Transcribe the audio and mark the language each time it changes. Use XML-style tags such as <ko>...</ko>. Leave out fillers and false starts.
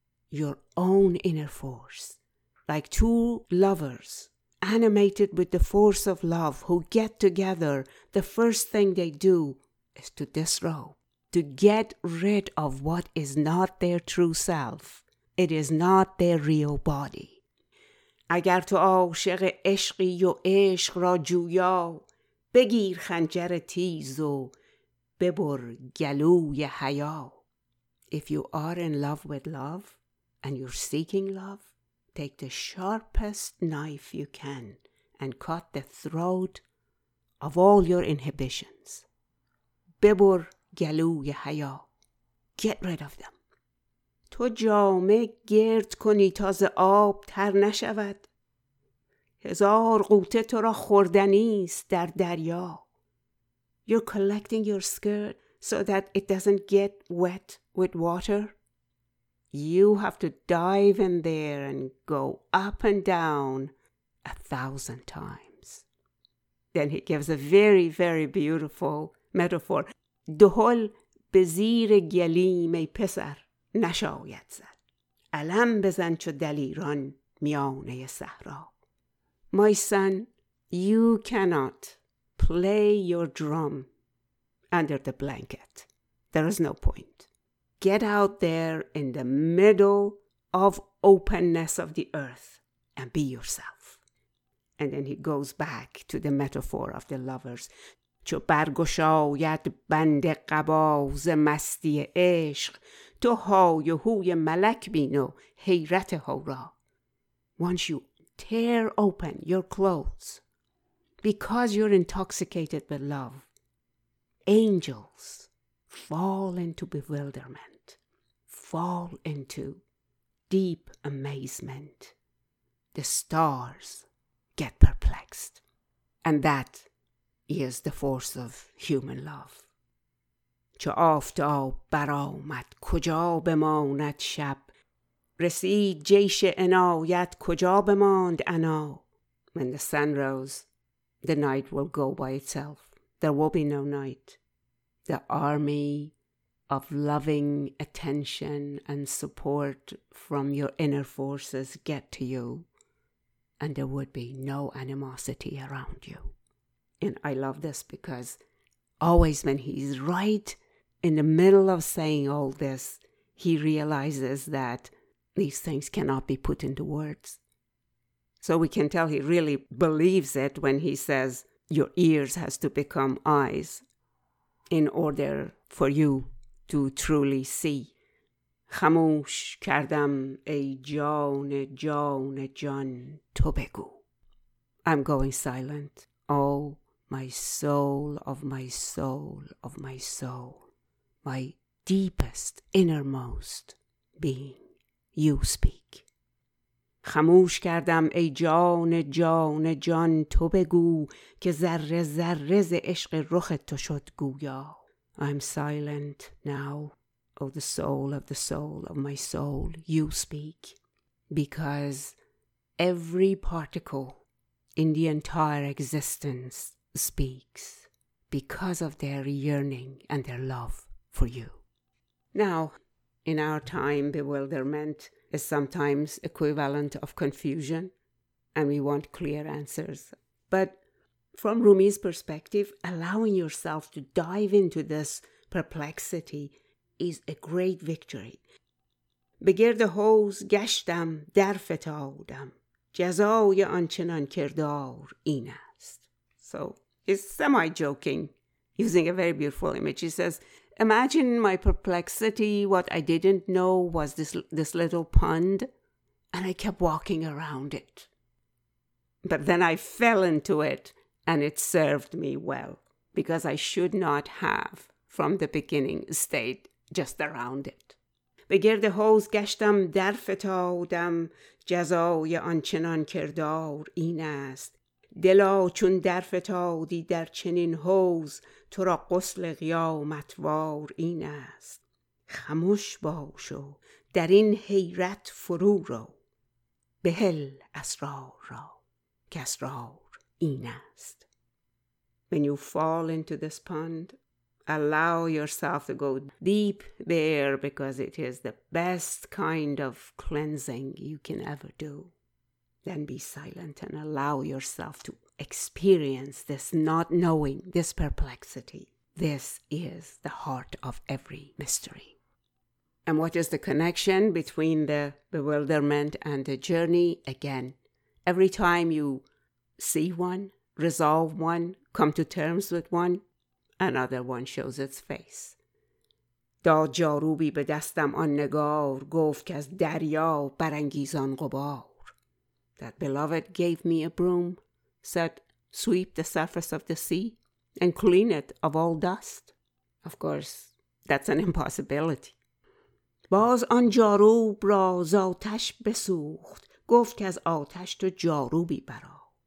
<en>your own inner force. Like two lovers, animated with the force of love, who get together, the first thing they do is to disrobe, to get rid of what is not their true self. It is not their real body.</en> <fa>اگر تو عاشق عشقی و عشق را جویا، بگیر خنجر تیز و ببر گلوی حیا.</fa> <en>If you are in love with love and you're seeking love, take the sharpest knife you can and cut the throat of all your inhibitions.</en> <fa>ببر گلوی حیا.</fa> <en>Get rid of them.</en> <fa>تو جامه گرد کنی تازه آب تر نشود. هزار قوطه تو را خوردنیست در دریا.</fa> <en>You're collecting your skirt so that it doesn't get wet with water. You have to dive in there and go up and down 1,000 times. Then he gives a very, very beautiful metaphor.</en> <fa>دهل به زیر گلیم ای پسر نشاید زد. علم بزن چو دلیران میانه صحرا.</fa> <en>My son, you cannot play your drum under the blanket. There is no point. Get out there in the middle of openness of the earth and be yourself. And then he goes back to the metaphor of the lovers.</en> <fa>چو برگشاید بند قبا ز مستی عشق، تو های و هوی ملک بین و حیرت حورا.</fa> <en>Once you tear open your clothes, because you're intoxicated with love, angels fall into bewilderment, fall into deep amazement. The stars get perplexed. And that is the force of human love.</en> <fa>چو آفتاب برآمد کجا بماند شب، رسید جیش عنایت کجا بماند انا.</fa> <en>When the sun rose, the night will go by itself. There will be no night. The army of loving attention and support from your inner forces get to you, and there would be no animosity around you. And I love this because always when he's right in the middle of saying all this, he realizes that these things cannot be put into words. So we can tell he really believes it when he says your ears has to become eyes in order for you to truly see.</en> <fa>خموش کردم ای جان جان جان تو بگو.</fa> <en>I'm going silent. Oh, my soul of my soul of my soul. My deepest, innermost being. You speak.</en> <fa>خموش کردم ای جان جان جان تو بگو، که ذره ذره ز عشق رخ تو شد گویا.</fa> <en>I'm silent now, oh the soul of the soul of my soul, you speak. Because every particle in the entire existence speaks because of their yearning and their love for you. Now, in our time, bewilderment is sometimes equivalent of confusion, and we want clear answers. But from Rumi's perspective, allowing yourself to dive into this perplexity is a great victory.</en> <fa>بگرد حوز گشتم در فتادم، جزای آنچنان کردار این است.</fa> <en>So he's semi-joking, using a very beautiful image. He says, imagine my perplexity, what I didn't know was this little pond, and I kept walking around it. But then I fell into it, and it served me well, because I should not have, from the beginning, stayed just around it.</en> <fa>به گرد حوز گشتم در فتادم، جزای آنچنان کردار این است. دلا چون در فتادی در چنین حوز، تو را قسل قیامت وار این است. خموش باش و در این حیرت فرو رو، بهل اسرار را که اسرار این است.</fa> <en>When you fall into this pond allow yourself to go deep there because it is the best kind of cleansing you can ever do. Then be silent and allow yourself to experience this not knowing, this perplexity. This is the heart of every mystery. And what is the connection between the bewilderment and the journey? Again, every time you see one, resolve one, come to terms with one, another one shows its face.</en> <fa>داد جاروبی به دستم آن نگار گفت که از دریا برانگیزان غبار.</fa> <en>That beloved gave me a broom, said, sweep the surface of the sea and clean it of all dust. Of course, that's an impossibility.</en> <fa>باز آن جاروب را زاتش بسوخت گفت که از آتش تو جاروبی برا.</fa>